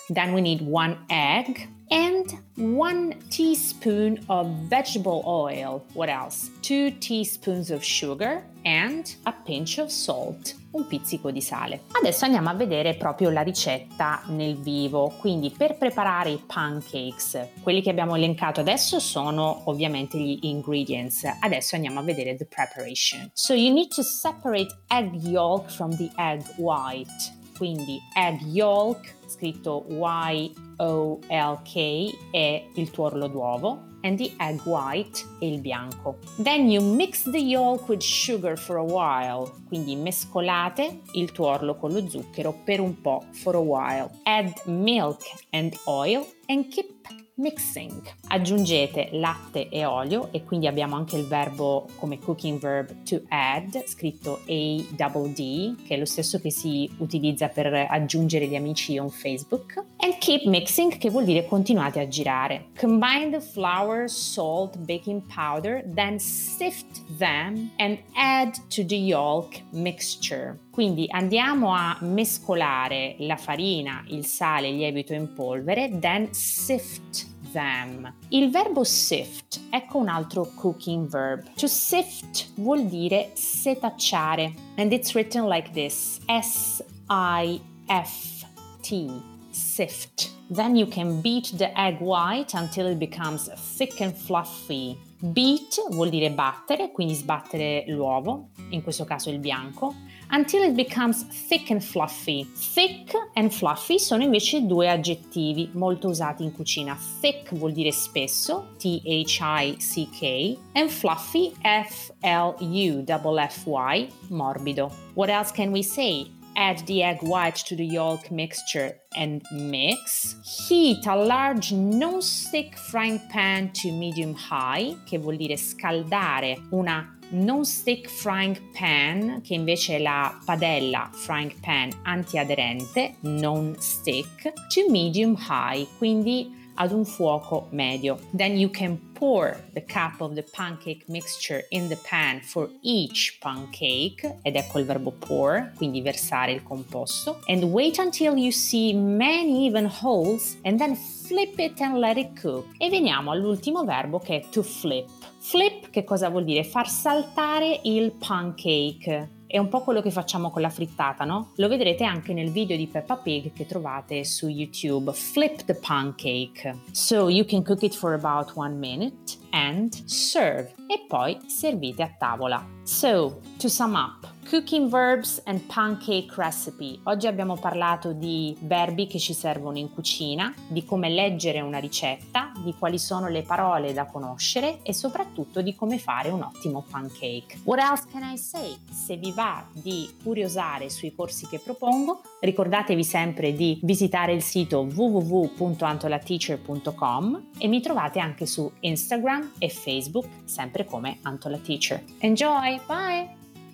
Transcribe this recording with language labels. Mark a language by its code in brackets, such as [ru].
[en] Then we need 1 egg, and 1 teaspoon of vegetable oil. What else? 2 teaspoons of sugar and a pinch of salt. [it] Un pizzico di sale. Adesso andiamo a vedere proprio la ricetta nel vivo. Quindi per preparare i pancakes, quelli che abbiamo elencato adesso sono ovviamente gli ingredients. Adesso andiamo a vedere [en] the preparation. So you need to separate egg yolk from the egg white. [it] Quindi [en] egg yolk [it] scritto YOLK è il tuorlo d'uovo, [en] and the egg white [it] è il bianco. [en] Then you mix the yolk with sugar for a while, [it] quindi mescolate il tuorlo con lo zucchero per un po', [en] for a while. Add milk and oil and keep mixing. [it] Aggiungete latte e olio, e quindi abbiamo anche il verbo come [en] cooking verb to add, [it] scritto A-double-D, che è lo stesso che si utilizza per aggiungere gli amici [en] on Facebook. And keep mixing, [it] che vuol dire continuate a girare. [en] Combine the flour, salt, baking powder, then sift them and add to the yolk mixture. [it] Quindi andiamo a mescolare la farina, il sale, il lievito in polvere, [en] then sift them. [it] Il verbo sift, ecco un altro cooking verb. To sift vuol dire setacciare. [en] And it's written like this, S-I-F-T, sift. Then you can beat the egg white until it becomes thick and fluffy. [it] Beat vuol dire battere, quindi sbattere l'uovo, in questo caso il bianco, [en] until it becomes thick and fluffy. [it] Thick and fluffy sono invece due aggettivi molto usati in cucina. Thick vuol dire spesso, T-H-I-C-K, and fluffy, F-L-U-F-F-Y, morbido. [en] What else can we say? Add the egg white to the yolk mixture and mix. Heat a large non-stick frying pan to medium-high, [it] che vuol dire scaldare una [en] non-stick frying pan, [it] che invece è la padella frying pan antiaderente, [en] non-stick, to medium-high, [it] quindi ad un fuoco medio. [en] Then you can pour the cup of the pancake mixture in the pan for each pancake, [it] ed ecco il verbo pour, quindi versare il composto, [en] and wait until you see many even holes, and then flip it and let it cook. [it] E veniamo all'ultimo verbo, che è to flip. Flip, che cosa vuol dire? Far saltare il pancake. È un po' quello che facciamo con la frittata, no? Lo vedrete anche nel video di Peppa Pig che trovate su YouTube. [en] Flip the pancake. So you can cook it for about 1 minute and serve. [it] E poi servite a tavola. [en] So, to sum up, cooking verbs and pancake recipe. [it] Oggi abbiamo parlato di verbi che ci servono in cucina, di come leggere una ricetta, di quali sono le parole da conoscere e soprattutto di come fare un ottimo pancake. [en] What else can I say? [it] Se vi va di curiosare sui corsi che propongo, ricordatevi sempre di visitare il sito www.antolateacher.com e mi trovate anche su Instagram e Facebook, sempre come Antola Teacher. [en] Enjoy! Bye!